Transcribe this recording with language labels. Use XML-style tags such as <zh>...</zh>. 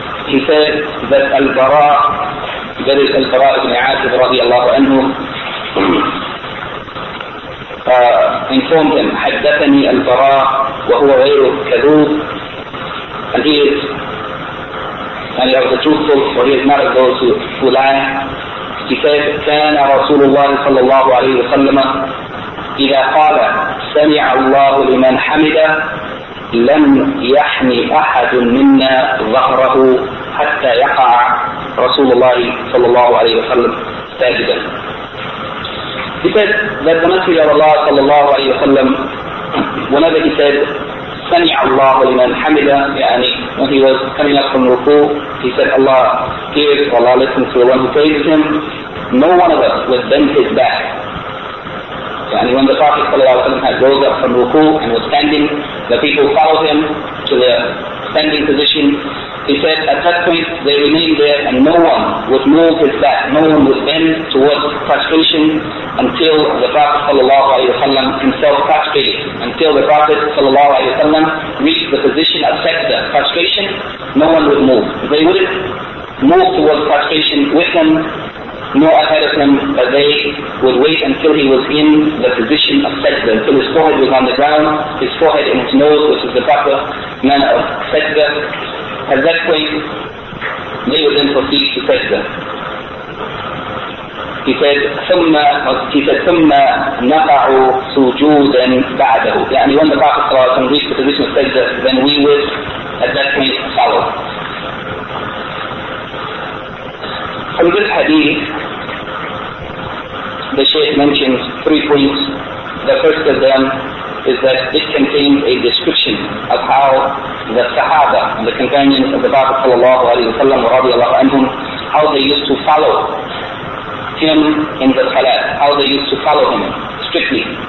<en>He said that al-Bara ibn Aqib radiallahu anhu informed him,</en> <ar>حدثني البراء وهو غير كذوب,</ar> <en>and he is, and he was a truthful, for he is not of those who lie.</en> <ar>He said, كان رسول الله صلى الله عليه وسلم إذا قال سمع الله لمن حمد لم يحمي أحد منا ظهره حتى يقع رسول الله صلى الله عليه وسلم ساجدا.</ar> <en>He said that the Messenger of Allah sallallahu alayhi wa sallam, whenever he said,</en> <ar>سَنِعَ اللَّهُ لِمَنْ حَمِدَ, يعني</ar> <en>when he was coming up from ruku, he said, Allah hears, Allah listens to the one who praises him. No one of us would bend his back.</en> <ar>يعني</ar> <en>when the Prophet sallallahu alayhi wa sallam had rose up from ruku and was standing, the people followed him to the standing position. He said, at that point they remained there and no one would move his back, no one would bend towards prostration until the Prophet sallallahu alayhi wa sallam himself prostrated. Until the Prophet sallallahu alayhi wa sallam reached the position of sajda, prostration, no one would move. They wouldn't move towards prostration with him, nor ahead of him, but they would wait until he was in the position of sajda, until his forehead was on the ground, his forehead and his nose, which is the proper manner of sajda. At that point, they would then proceed to sajda.</en> <ar>He said, ثُمَّ نَقَعُ سُجُودًا بَعْدَهُ. يعني</ar> <en>when the Prophet ﷺ reached the position of sajda, then we would, at that point, follow. From this hadith, the Shaykh mentions three points. The first of them is that it contains a description of how the Sahaba, the companions of the Prophet sallallahu alayhi wa sallam, radiallahu anhum, how they used to follow him in the Salat, how they used to follow him strictly.</en>